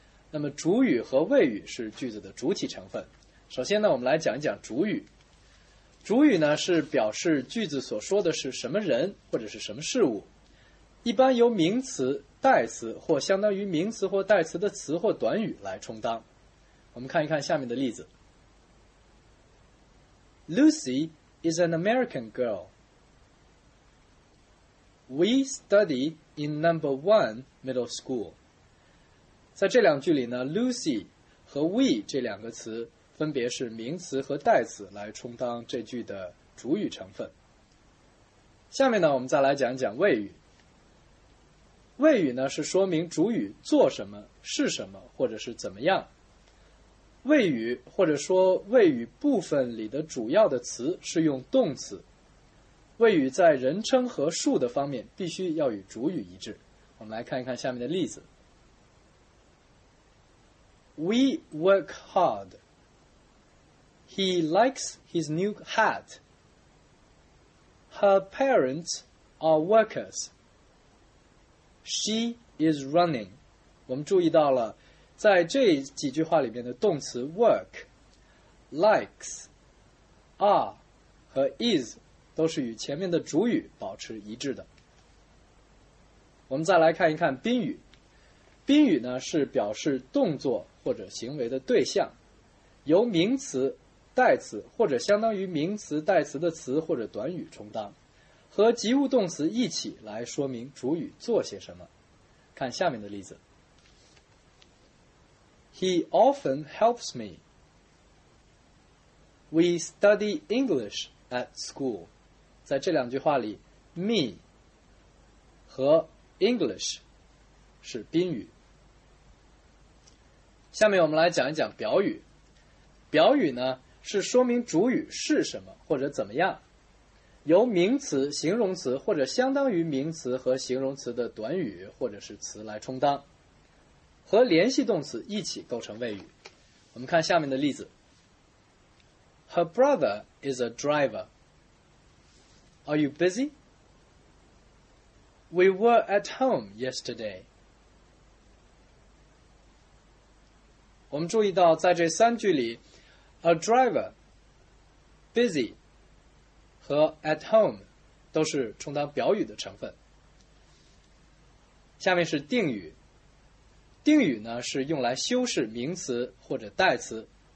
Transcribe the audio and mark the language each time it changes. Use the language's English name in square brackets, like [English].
[Chinese] 那么主语和谓语是句子的主体成分。首先呢，我们来讲一讲主语。主语呢，是表示句子所说的是什么人或者是什么事物，一般由名词、代词或相当于名词或代词的词或短语来充当。我们看一看下面的例子。 [English] Lucy is an American girl. We study in number one middle school. [Chinese] 在这两句里呢， Lucy 和 we 这两个词分别是名词和代词来充当这句的主语成分。下面呢，我们再来讲讲谓语。谓语呢，是说明主语做什么、是什么或者是怎么样。谓语或者说谓语部分里的主要的词是用动词。谓语在人称和数的方面必须要与主语一致。我们来看一看下面的例子。 [English] We work hard. He likes his new hat. Her parents are workers. She is running. [Chinese] 我们注意到了，在这几句话里面的动词 work, likes, are 和 is 都是与前面的主语保持一致的。我们再来看一看宾语。宾语呢，是表示动作或者行为的对象，由名词代词或者相当于名词代词的词或者短语充当，和及物动词一起来说明主语做些什么。看下面的例子。 [English] He often helps me. We study English at school. [Chinese] 在这两句话里， me 和 English 是宾语。下面我们来讲一讲表语。表语呢，是说明主语是什么或者怎么样，由名词、形容词或者相当于名词和形容词的短语或者是词来充当，和联系动词一起构成谓语。我们看下面的例子。 [English] Her brother is a driver. Are you busy? We were at home yesterday. [Chinese] 我们注意到在这三句里， [English] A driver, [Chinese] busy, 和 [English] at home [Chinese] 都是充当表语的成分。下面是定语。定语呢，是用来修饰名词或者代词。